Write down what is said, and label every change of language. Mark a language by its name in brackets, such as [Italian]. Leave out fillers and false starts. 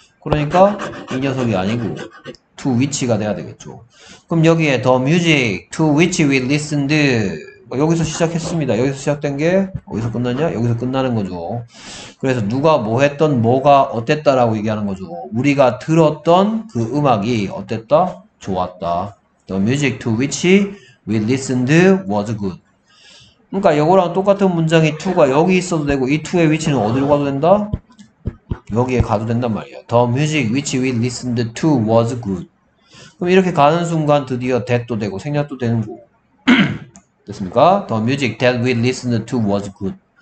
[Korean] 그러니까 이 녀석이 아니고 to which가 돼야 되겠죠. 그럼 여기에 [English] the music to which we listened [Korean] 여기서 시작했습니다. 여기서 시작된 게 어디서 끝났냐? 여기서 끝나는 거죠. 그래서 누가 뭐 했던 뭐가 어땠다라고 얘기하는 거죠. 우리가 들었던 그 음악이 어땠다? 좋았다. [English] The music to which we listened was good. [Korean] 그러니까 이거랑 똑같은 문장이 to가 여기 있어도 되고 이 to의 위치는 어디로 가도 된다? 여기에 가도 된단 말이에요. [English] The music which we listened to was good. [Korean] 그럼 이렇게 가는 순간 드디어 that도 되고 생략도 되는 거고. 됐습니까? [English] The music that we listened to was good.